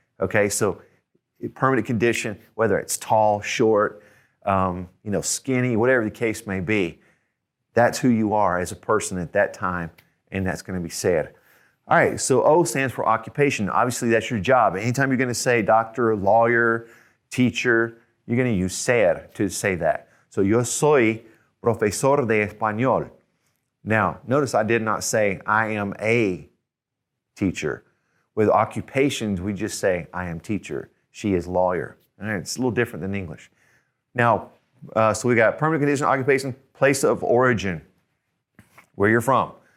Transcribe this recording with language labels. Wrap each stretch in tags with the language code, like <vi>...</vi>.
<en>Okay, so permanent condition, whether it's tall, short, you know, skinny, whatever the case may be, that's who you are as a person at that time, and that's going to be said. All right, so O stands for occupation. Obviously, that's your job. Anytime you're going to say doctor, lawyer, teacher, you're going to use ser to say that.</en> <es>So yo soy profesor de español.</es> <en>Now, notice I did not say I am a teacher. With occupations, we just say I am teacher. She is lawyer. All right, it's a little different than English. Now, so we got permanent condition, occupation, place of origin, where you're from.</en>